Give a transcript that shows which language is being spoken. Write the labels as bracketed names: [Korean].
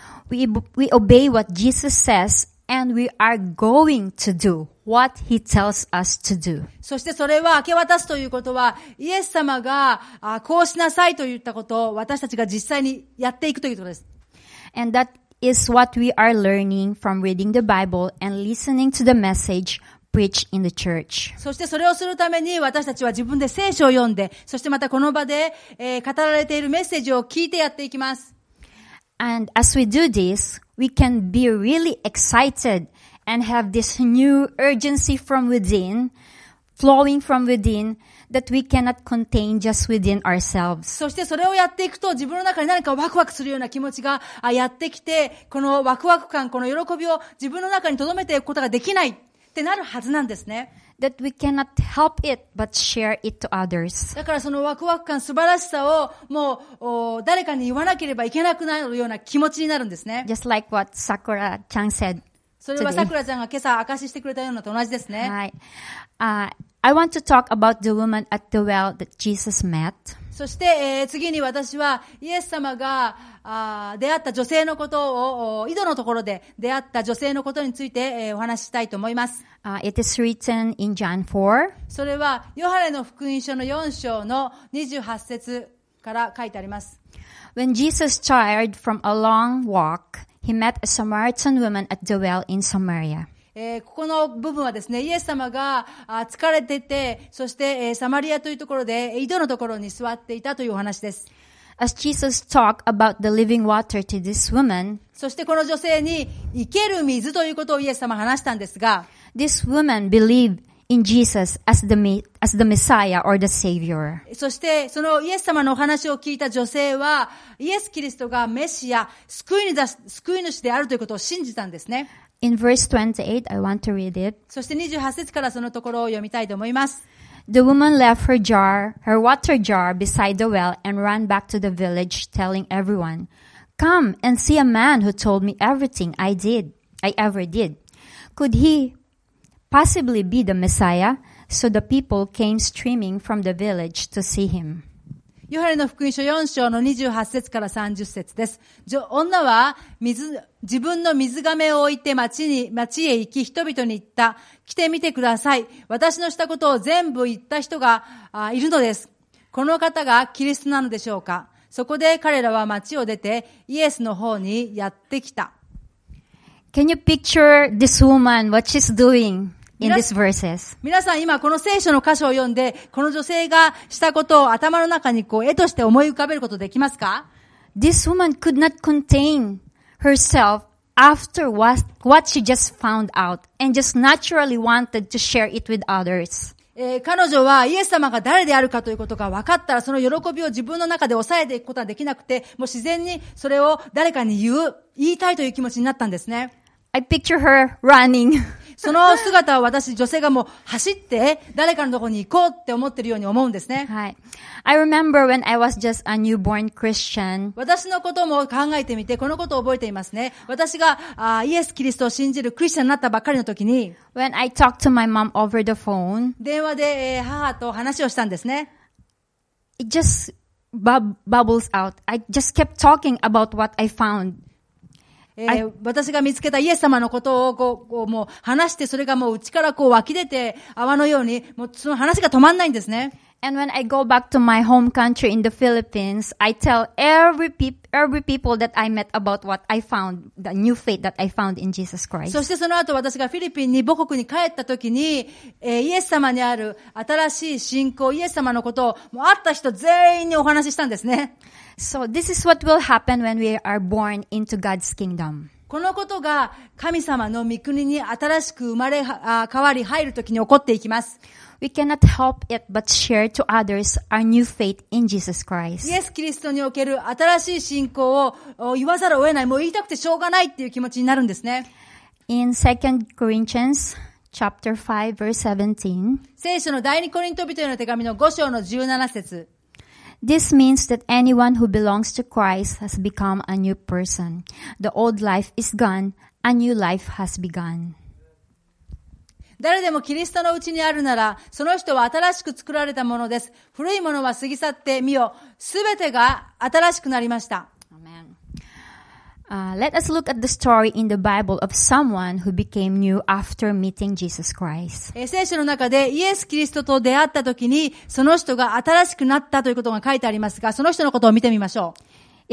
[English] We obey what Jesus says and we are going to do what he tells us to do. [Japanese] そしてそれは明け渡すということは、イエス様がこうしなさいと言ったことを私たちが実際にやっていくということです。 [English] And that is what we are learning from reading the Bible and listening to the message preach in the church. [Japanese] そしてそれをするために私たちは自分で聖書を読んで、そしてまたこの場で、語られているメッセージを聞いてやっていきます。 [English] And as we do this, we can be really excited and have this new urgency from within, flowing from within. That we cannot contain just within ourselves. [Japanese] そしてそれをやっていくと自分の中に何かワクワクするような気持ちがやってきて、このワクワク感、この喜びを自分の中に留めていくことができないってなるはずなんですね。 [English] That we cannot help it but share it to others. [Japanese] だからそのワクワク感、素晴らしさをもう誰かに言わなければいけなくなるような気持ちになるんですね。 [English] Just like what Sakura-chan said. [Japanese] それはさくらちゃんが今朝明かししてくれたようなと同じですね。はい。 [English] I want to talk about the woman at the well that Jesus met. [Japanese] そして、次に私はイエス様が出会った女性のことを井戸のところで出会った女性のことについて、お話したいと思います。 [English] It is written in John 4. [Japanese] それはヨハネの福音書の4章の28節から書いてあります。 [English] When Jesus tired from a long walk, he met a Samaritan woman at the well in Samaria. [Japanese] ここの部分はですね、イエス様が疲れてて、そしてサマリアというところで井戸のところに座っていたというお話です。 [English] As Jesus talked about the living water to this woman, [Japanese] そしてこの女性に生ける水ということをイエス様は話したんですが、 [English] This woman believed in Jesus as the Messiah or the Savior. [Japanese] そしてそのイエス様のお話を聞いた女性はイエスキリストがメシア、救い主であるということを信じたんですね。 [English] In verse 28, I want to read it. [Japanese] そして28節からそのところを読みたいと思います。 [English] The woman left her jar, her water jar beside the well and ran back to the village telling everyone, Come and see a man who told me everything I ever did. Could he possibly be the Messiah? So the people came streaming from the village to see him. [Japanese] ヨハネの福音書4章の28節から30節です。女は自分の水がめを置いて町へ行き人々に言った。来てみてください。私のしたことを全部言った人がいるのです。この方がキリストなのでしょうか。そこで彼らは町を出てイエスの方にやってきた。 [English] Can you picture this woman, what she's doing? In this verses. [Japanese] 皆さん今この聖書の箇所を読んで、この女性がしたことを頭の中にこう絵として思い浮かべることできますか? [English] This woman could not contain herself after what she just found out and just naturally wanted to share it with others. [Japanese] 彼女はイエス様が誰であるかということが分かったら、その喜びを自分の中で抑えていくことはできなくて、もう自然にそれを誰かに言いたいという気持ちになったんですね。 [English] I picture her running. [Japanese] その姿を私、女性がもう走って誰かのところに行こうって思ってるように思うんですね。はい。 [English] I remember when I was just a newborn Christian. [Japanese] 私のことも考えてみて、このことを覚えていますね。私がイエス・キリストを信じるクリスチャンになったばっかりの時に、 [English] when I talked to my mom over the phone, [Japanese] 電話で母と話をしたんですね。 [English] It just bubbles out. I just kept talking about what I found. [Japanese] 私が見つけたイエス様のことをもう話して、それがもう内からこう湧き出て泡のようにもうその話が止まんないんですね。 [English] And when I go back to my home country in the Philippines, I tell every people that I met about what I found, the new faith that I found in Jesus Christ. [Japanese] そしてその後私がフィリピンに母国に帰った時に、イエス様にある新しい信仰、イエス様のことをもう会った人全員にお話ししたんですね。 [English] So this is what will happen when we are born into God's kingdom. [Japanese] このことが神様の御国に新しく生まれ変わり入るときに起こっていきます。 [English] We cannot help it but share to others our new faith in Jesus Christ. [Japanese] イエス・キリストにおける新しい信仰を言わざるを得ない、もう言いたくてしょうがないっていう気持ちになるんですね。 [English] In 2 Corinthians chapter 5 verse 17. [Japanese] 聖書の第二コリント人への手紙の5章の17節。 [English] This means that anyone who belongs to Christ has become a new person. The old life is gone, a new life has begun. [Japanese] 誰でもキリストのうちにあるなら、その人は新しく作られたものです。古いものは過ぎ去って、見よ、すべてが新しくなりました。 [English] Amen. Let us look at the story in the Bible of someone who became new after meeting Jesus Christ. [Japanese] 聖書の中でイエス・キリストと出会った時にその人が新しくなったということが書いてありますが、その人のことを見てみましょう。